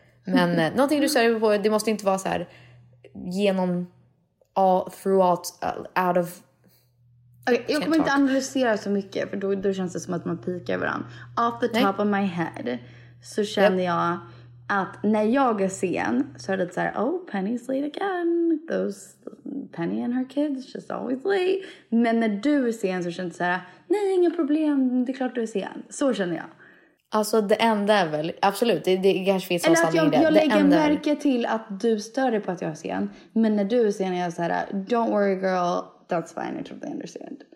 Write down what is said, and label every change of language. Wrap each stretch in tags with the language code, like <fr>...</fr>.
<sv>Men någonting du stör dig på, det måste inte vara så här, genom,</sv> <en>all throughout, out of...</en> <sv>Okej, jag kommer inte analysera så mycket, för då känns det som att man pikar varandra.</sv> <en>Off the top of my head</en> <sv>så känner jag att när jag är sen så är det så här,</sv> <en>oh, Penny's late again. Those Penny and her kids just always late.</en> <sv>Men när du är sen så känns det så här, nej, inga problem, det är klart du är sen. Så känner jag. Alltså det enda är väl, absolut, det kanske finns någon sanning i det. Jag lägger märke till att du stör dig på att jag är sen. Men när du är sen är jag så här,</sv> <en>don't worry girl, that's fine, I totally understand.</en>